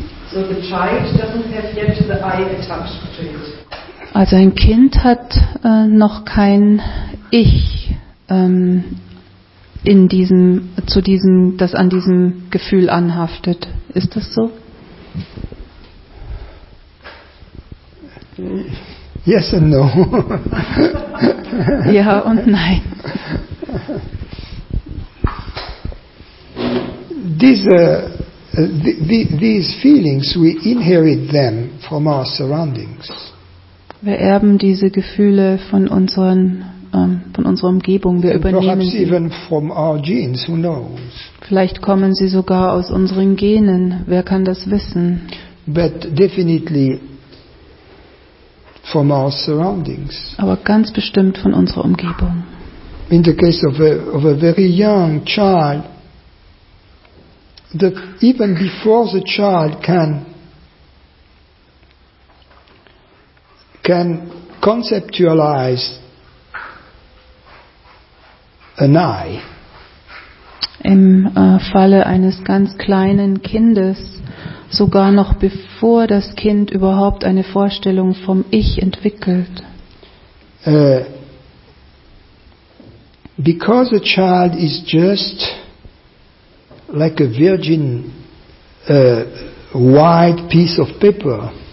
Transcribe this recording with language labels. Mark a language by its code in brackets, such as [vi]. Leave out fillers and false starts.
[en] So the child doesn't have yet the I attached to it. [de] Also ein Kind hat noch kein Ich in diesem, zu diesem, das an diesem Gefühl anhaftet. Ist das so? [en] Yes and no. [de] Ja und nein. [en] These feelings, we inherit them from our surroundings. [de] Wir erben diese Gefühle von unseren von unserer Umgebung. Wir übernehmen sie. [en] Even from our genes, who knows? [de] Vielleicht kommen sie sogar aus unseren Genen. Wer kann das wissen? [en] But definitely from our surroundings. [de] Aber ganz bestimmt von unserer Umgebung. [en] In the case of a very young child, that even before the child can conceptualize an I. [de] Im Falle eines ganz kleinen Kindes, sogar noch bevor das Kind überhaupt eine Vorstellung vom Ich entwickelt. [en] Because a child is just like a virgin white piece of paper.